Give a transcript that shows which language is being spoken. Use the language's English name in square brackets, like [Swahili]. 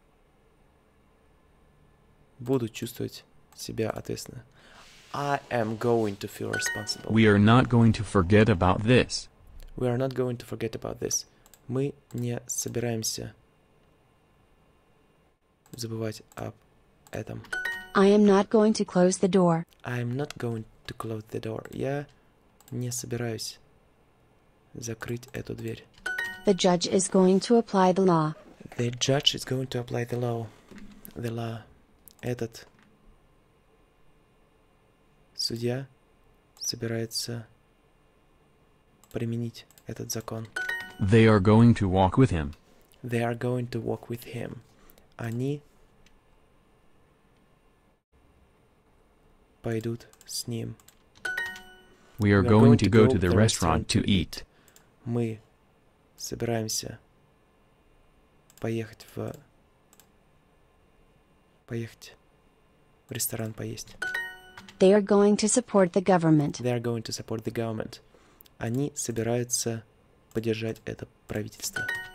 [Russian] Я не буду чувствовать себя ответственно. [English] I am going to feel responsible. We are not going to forget about this. We are not going to forget about this. [Russian] Мы не собираемся забывать об этом. [English] I am not going to close the door. I am not going to close the door. [Russian] Я не собираюсь закрыть эту дверь. [English] The judge is going to apply the law. The judge is going to apply the law. The law. [Russian] Этот судья собирается применить этот закон. [English] They are going to walk with him. They are going to walk with him. [Russian] Они пойдут с ним. [English] We are going to go to the restaurant to eat. [Russian] Мы собираемся поехать в ресторан поесть. [English] They are going to support the government. They are going to support the government. [Russian] Они собираются поддержать это правительство.